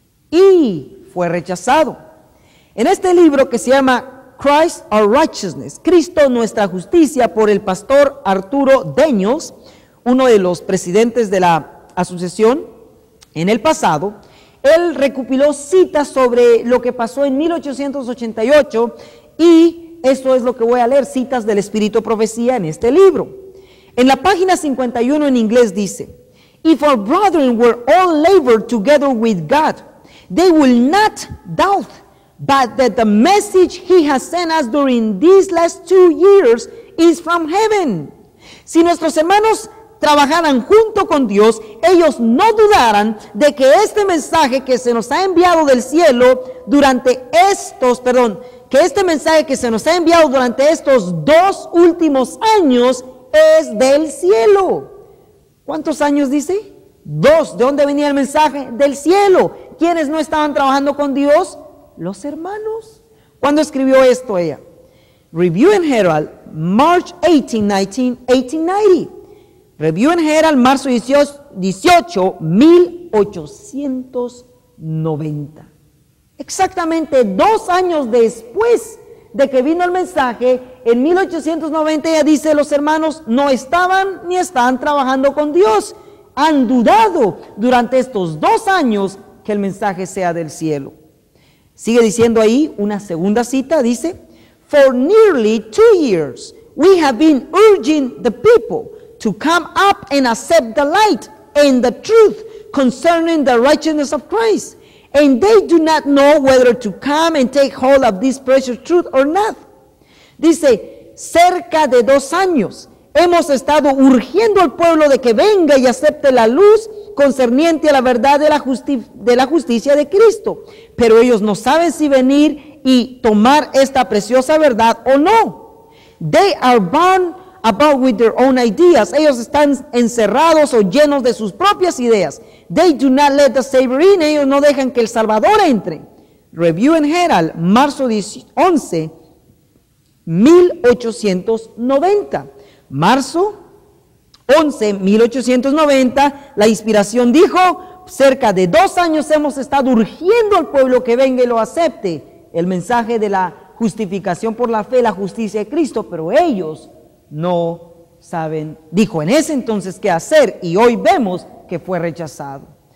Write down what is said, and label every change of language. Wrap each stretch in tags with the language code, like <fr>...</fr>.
<es>Y fue rechazado. En este libro que se llama Christ Our Righteousness, Cristo Nuestra Justicia, por el pastor Arturo Daniels, uno de los presidentes de la asociación en el pasado, él recopiló citas sobre lo que pasó en 1888 y esto es lo que voy a leer, citas del Espíritu Profecía en este libro.</es> <en>En la página 51 en inglés dice, "If our brethren were all labored together with God, they will not doubt but that the message he has sent us during these last 2 years is from heaven."</en> <es>Si nuestros hermanos trabajaran junto con Dios, ellos no dudaran de que este mensaje que se nos ha enviado del cielo durante estos, perdón, que este mensaje que se nos ha enviado durante estos 2 últimos años es del cielo. ¿Cuántos años dice? 2. ¿De dónde venía el mensaje? Del cielo. ¿Quiénes no estaban trabajando con Dios? Los hermanos. ¿Cuándo escribió esto ella? Review and Herald, March 18, 1890.</es> <en>Review and Herald, March 18, 1890.</en> <es>Exactamente 2 años después de que vino el mensaje, en 1890, ella dice, los hermanos no estaban ni están trabajando con Dios. han dudado durante estos 2 años que el mensaje sea del cielo. Sigue diciendo ahí una segunda cita, dice,</es> <en>"For nearly 2 years we have been urging the people to come up and accept the light and the truth concerning the righteousness of Christ, and they do not know whether to come and take hold of this precious truth or not."</en> <es>Dice, cerca de 2 años hemos estado urgiendo al pueblo de que venga y acepte la luz concerniente a la verdad de la justicia de Cristo, pero ellos no saben si venir y tomar esta preciosa verdad o no.</es> <en>They are bound about with their own ideas.</en> <es>Ellos están encerrados o llenos de sus propias ideas.</es> <en>They do not let the Savior in.</en> <es>Ellos no dejan que el Salvador entre. Review and Herald, marzo 11, 1890, la inspiración dijo, cerca de 2 años hemos estado urgiendo al pueblo que venga y lo acepte, el mensaje de la justificación por la fe, la justicia de Cristo, pero ellos no saben, dijo en ese entonces, qué hacer, y hoy vemos que fue rechazado.</es>